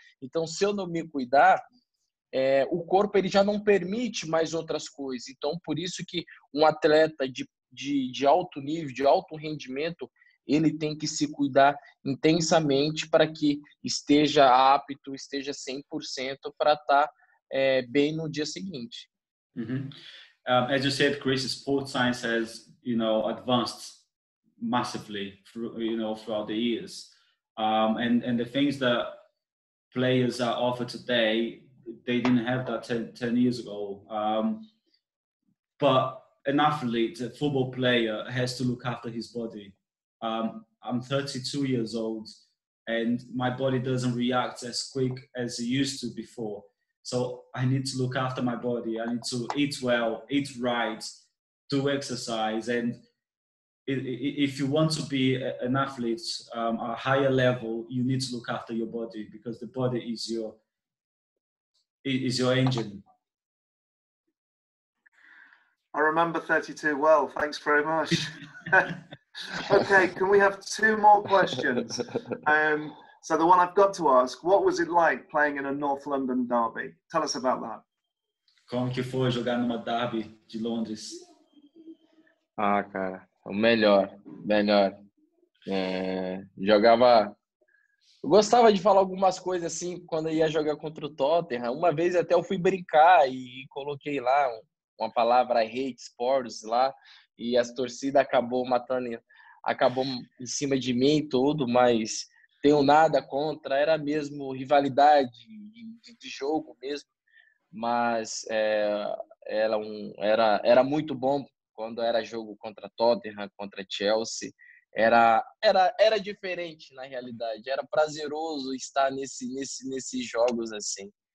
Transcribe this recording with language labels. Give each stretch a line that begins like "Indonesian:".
Portuguese: Então, se eu não me cuidar, o corpo ele já não permite mais outras coisas. Então, por isso que um atleta de alto nível, de alto rendimento, ele tem que se cuidar intensamente para que esteja apto, esteja 100% para estar bem no dia seguinte. Uh-huh.
English: As you said, Chris, sports science has, advanced massively, throughout the years, and the things that players are offered today, they didn't have that 10 years ago. But an athlete, a football player, has to look after his body. I'm 32 years old, and my body doesn't react as quick as it used to before. So I need to look after my body. I need to eat well, eat right, do exercise, and if you want to be an athlete at a higher level, you need to look after your body, because the body is your engine. I remember 32 well. Thanks very much. Okay, can we have two more questions? So the one I've got to ask, what was it like playing in a North London derby? Tell us about that.
Portuguese: Como que foi jogar numa derby de Londres? Ah, cara, o melhor, melhor. É, jogava... Eu gostava de falar algumas coisas assim quando ia jogar contra o Tottenham. Uma vez até eu fui brincar e coloquei lá uma palavra
English: hate sports
Portuguese: lá, e as torcidas acabou matando, acabou em cima de mim e tudo, mas tenho nada contra, era mesmo rivalidade de jogo mesmo, mas é, era, um, era, era muito bom quando era jogo contra Tottenham, contra Chelsea, era, era, era diferente na realidade, era prazeroso estar nesses jogos assim.